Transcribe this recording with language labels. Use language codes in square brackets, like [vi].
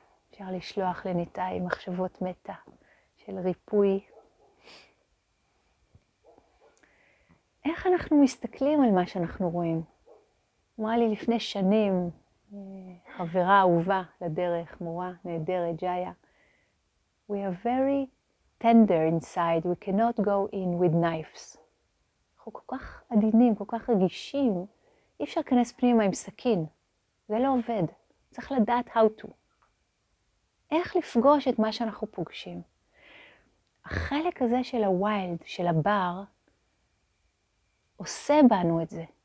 [he] אפשר לשלוח לניתאי מחשבות מתה של ריפוי. איך אנחנו מסתכלים על מה שאנחנו רואים? אמרה לי לפני שנים, חברה אהובה לדרך, מורה נהדרת, ג'איה. [en] We are very tender inside, we cannot go in with knives. [he] אנחנו כל כך עדינים, כל כך רגישים, אי אפשר להיכנס פנימה עם סכין. זה לא עובד, צריך לדעת [en] how to. [he] איך לפגוש את מה שאנחנו פוגשים? החלק הזה של הווילד, של הבר, עושה בנו את זה.